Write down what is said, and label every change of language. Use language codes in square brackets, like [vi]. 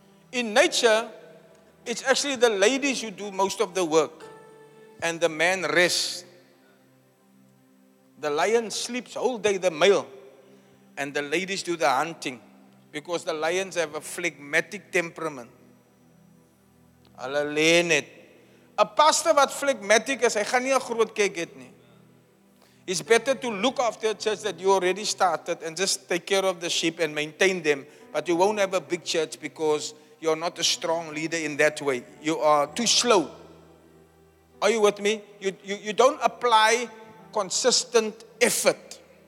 [en] In nature, it's actually the ladies who do most of the work and the man rests. The lion sleeps all day, the male, and the ladies do the hunting because the lions have a phlegmatic temperament. [af] Hulle lê net. [en] A pastor [af] wat phlegmatic is, hy gaan nie 'n groot kerk hê nie. [en] It's better to look after the church that you already started and just take care of the sheep and maintain them. But you won't have a big church because you're not a strong leader in that way. You are too slow. Are you with me? You don't apply consistent effort.